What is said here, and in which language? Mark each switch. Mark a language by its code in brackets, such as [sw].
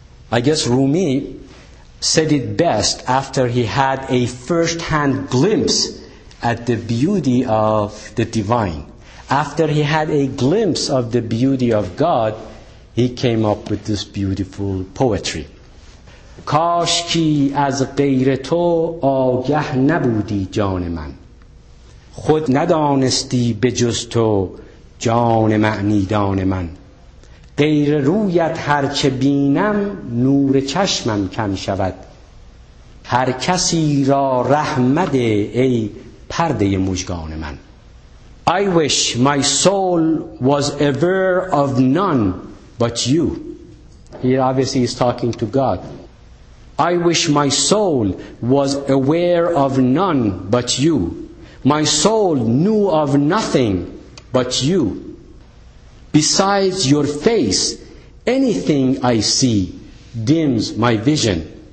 [en] I guess Rumi said it best after he had a first-hand glimpse at the beauty of the divine. After he had a glimpse of the beauty of God, he came up with this beautiful poetry. [fa] کاش کی از غیر تو آگه نبودی جان من خود ندانستی به جز تو جان معنی دان من غیر رویت هر چه بینم نور چشمم کم شود هر کسی را رحمت ای پرده مژگان من [en] I wish my soul was aware of none but you. Here obviously he's talking to God. I wish my soul was aware of none but you. My soul knew of nothing but you. Besides your face, anything I see dims my vision.